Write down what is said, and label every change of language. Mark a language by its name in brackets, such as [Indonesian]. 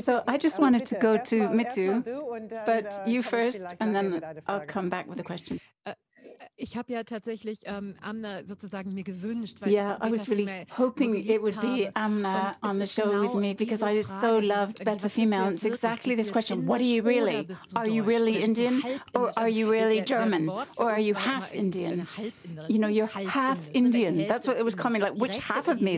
[English] So I just wanted to go to Mithu, but you first and then I'll come back with a question. [German] Ich habe ja tatsächlich Amna sozusagen mir gewünscht, weil [English] I was really hoping so it would be Amna on the show with me, because I so loved Better Female. It's exactly this question: What are you really? Are you really Indian, or are you really German, or are you half Indian? You know, you're half Indian. That's what it was coming like. Which half of me?